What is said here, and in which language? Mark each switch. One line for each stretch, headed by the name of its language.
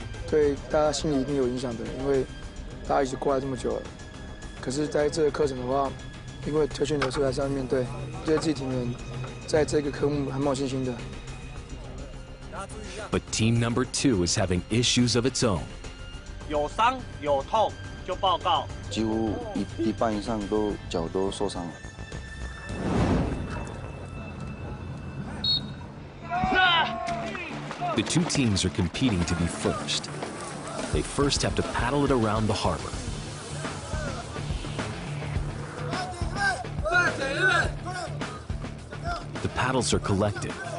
English: But team number two is having issues of its own.
Chinese: 有伤有痛就报告。几乎一半以上都脚都受伤了。
English: The two teams are competing to be first. They first have to paddle it around the harbor. The paddles are collected.